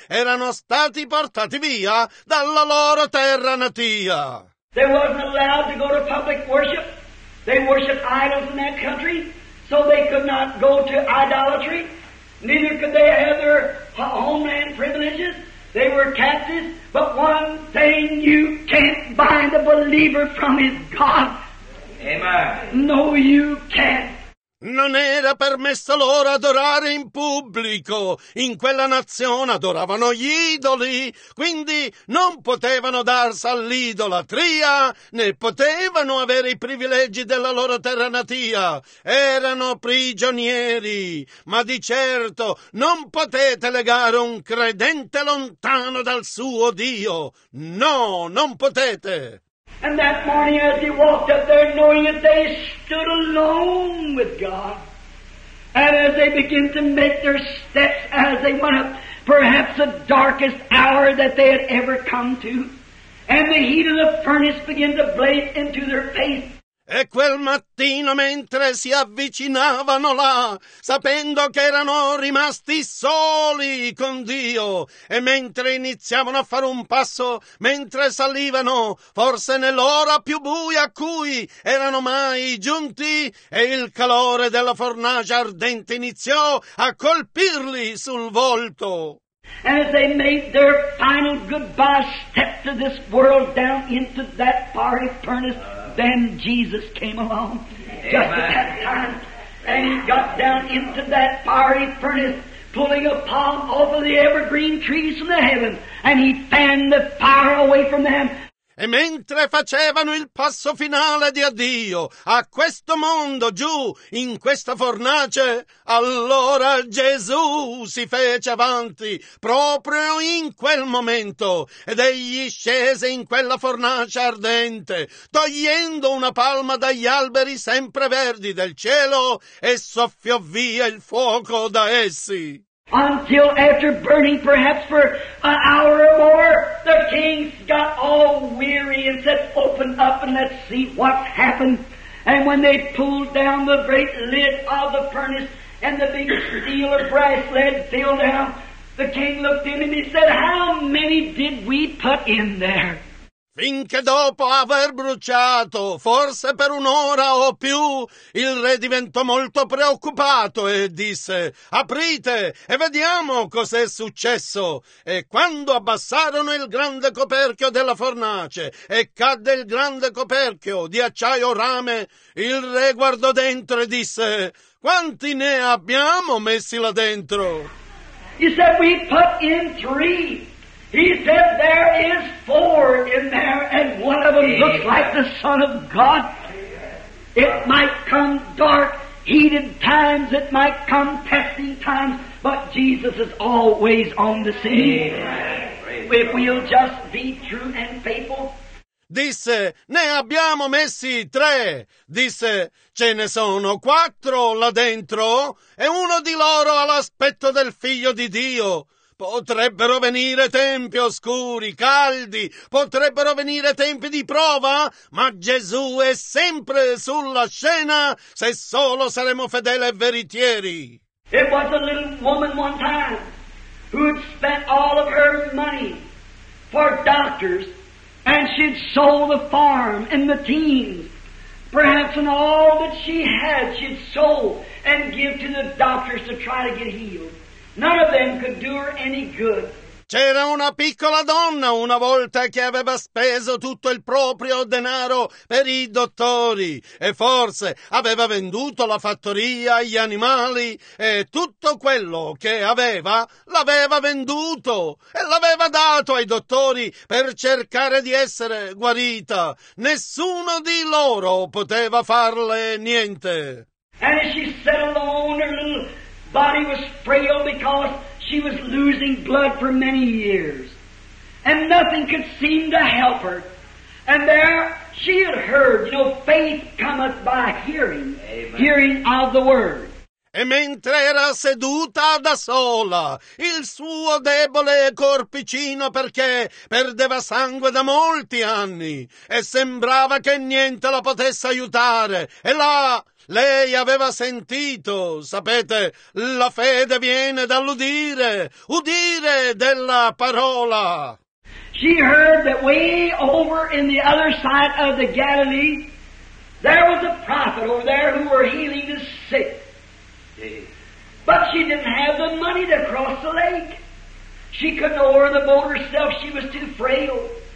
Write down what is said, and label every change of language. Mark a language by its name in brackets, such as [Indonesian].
[Italian] Erano stati portati via dalla loro terra natia. [English] They weren't allowed to go to public worship. They worshiped idols in that country, so they could not go to idolatry. Neither could they have their homeland privileges. They were captives. But one thing you can't bind a believer from is God. Amen. No, you can't. [Italian] Non era permessa loro adorare in pubblico. In quella nazione adoravano gli idoli, quindi non potevano darsi all'idolatria, né potevano avere i privilegi della loro terra natia. Erano prigionieri, ma di certo non potete legare un credente lontano dal suo Dio. No, non potete. [English] And that morning as he walked up there, knowing that they stood alone with God, and as they began to make their steps as they went up, perhaps the darkest hour that they had ever come to, and the heat of the furnace began to blaze into their face. [Italian] E quel mattino, mentre si avvicinavano là, sapendo che erano rimasti soli con Dio, e mentre iniziavano a fare un passo, mentre salivano, forse nell'ora più buia a cui erano mai giunti, e il calore della fornace ardente iniziò a colpirli sul volto. [English] As they made their final goodbye step to this world down into that fiery furnace, then Jesus came along just at that time, and he got down into that fiery furnace, pulling a palm off of the evergreen trees from the heaven, and he fanned the fire away from them. [Italian] E mentre facevano il passo finale di addio a questo mondo giù in questa fornace, allora Gesù si fece avanti proprio in quel momento ed egli scese in quella fornace ardente, togliendo una palma dagli alberi sempre verdi del cielo e soffiò via il fuoco da essi. [English] Until after burning perhaps for an hour or more, the kings got all weary and said, open up and let's see what's happened. And when they pulled down the great lid of the furnace and the big steel or brass lid fell down, the king looked in and he said, how many did we put in there? [Italian] Finché dopo aver bruciato, forse per un'ora o più, il re diventò molto preoccupato e disse, aprite e vediamo cos'è successo. E quando abbassarono il grande coperchio della fornace e cadde il grande coperchio di acciaio rame, il re guardò dentro e disse, quanti ne abbiamo messi là dentro? [English] He said, we put in three. He said, there is four in there, and one of them looks like the Son of God. It might come dark, heated times, it might come testing times, but Jesus is always on the scene. If we'll just be true and faithful. [Italian] Disse, ne abbiamo messi tre. Disse, ce ne sono quattro là dentro, e uno di loro ha l'aspetto del Figlio di Dio. Potrebbero venire tempi oscuri, caldi, potrebbero venire tempi di prova, ma Gesù è sempre sulla scena se solo saremo fedeli e veritieri. [English] It was a little woman one time who had spent all of her money for doctors, and she'd sold the farm and the teams. Perhaps in all that she had, she'd sold and give to the doctors to try to get healed. None of them could do her any good. [Italian] C'era una piccola donna una volta che aveva speso tutto il proprio denaro per i dottori e forse aveva venduto la fattoria, gli animali e tutto quello che aveva l'aveva venduto e l'aveva dato ai dottori per cercare di essere guarita. Nessuno di loro poteva farle niente. [English] And she sat alone, her little body was frail because she was losing blood for many years, and nothing could seem to help her. And there she had heard, you know, faith cometh by hearing, amen, hearing of the word. [Italian] E mentre era seduta da sola, il suo debole corpicino perché perdeva sangue da molti anni e sembrava che niente la potesse aiutare, e là lei aveva sentito, sapete, la fede viene dall'udire, udire della parola. [English] She heard that way over in the other side of the Galilee, there was a prophet over there who were healing the sick. But she didn't have the money to cross the lake. She couldn't oar the boat herself. She was too frail.